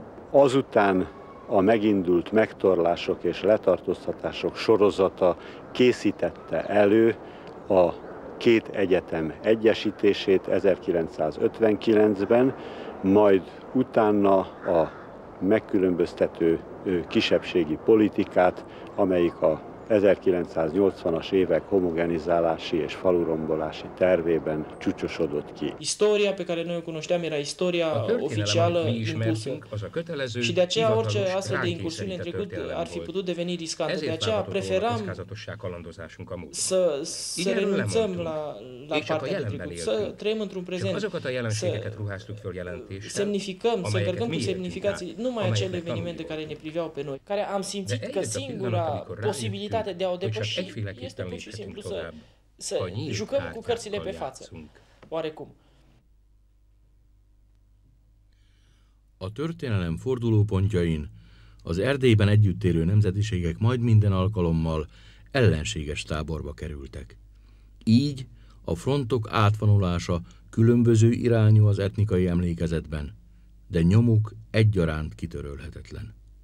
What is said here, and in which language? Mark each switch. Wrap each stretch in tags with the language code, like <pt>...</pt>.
<hu>Azután a megindult megtorlások és letartóztatások sorozata készítette elő a két egyetem egyesítését 1959-ben, majd utána a megkülönböztető kisebbségi politikát, amelyik a 1980-as évek homogenizálási és falurombolási tervében csúcsosodott ki.</hu> <ro>História, pe care noi cunoșteam, era istoria oficială impusă. Și de aceea orice astfel de incursiune în trecut ar fi putut deveni riscantă. De aceea preferam să renunțăm la partea de trecut, să trăim într-un prezent, să semnificăm, să încărcăm cu semnificații numai acele evenimente care ne priveau pe noi, care am simțit că singura posibilitate de a o depăși este pur și simplu să jucăm cu cărțile pe față, oarecum.</ro> <hu>A történelem fordulópontjain az Erdélyben együtt élő nemzetiségek majd minden alkalommal ellenséges táborba kerültek. Így a frontok átvonulása különböző irányú az etnikai emlékezetben, de nyomuk egyaránt kitörölhetetlen.</hu>